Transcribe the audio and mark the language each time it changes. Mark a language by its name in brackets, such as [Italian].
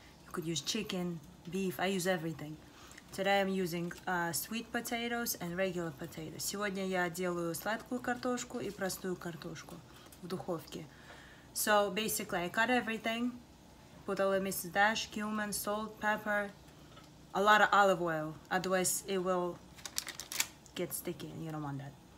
[English] You could use chicken, beef, I use everything. Today I'm using sweet potatoes and regular potatoes. [Russian] Сегодня я делаю сладкую картошку и простую картошку в духовке. [English] So basically I cut everything, put a little Mrs. Dash, cumin, salt, pepper, a lot of olive oil, otherwise it will get sticky and you don't want that.